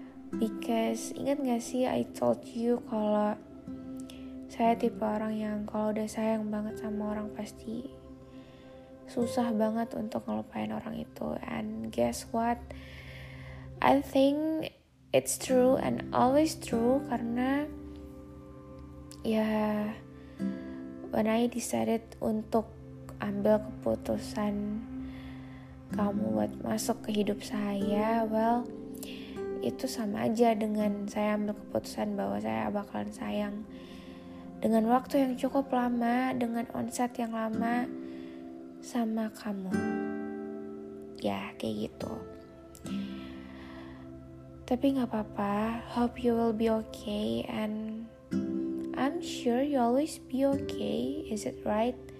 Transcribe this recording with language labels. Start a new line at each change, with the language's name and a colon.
English: Because
Indonesian: ingat gak sih,
English: I told you
Indonesian: kalau saya tipe orang yang kalau udah sayang banget sama orang pasti susah banget untuk ngelupain orang itu.
English: And guess what, I think it's true and always true.
Indonesian: Karena ya,
English: when I decided
Indonesian: untuk ambil keputusan kamu buat masuk ke hidup saya, well, itu sama aja dengan saya ambil keputusan bahwa saya bakalan sayang dengan waktu yang cukup lama, dengan onset yang lama sama kamu. Ya, kayak gitu. Tapi gak apa-apa,
English: hope you will be okay and I'm sure you always be okay, is it right?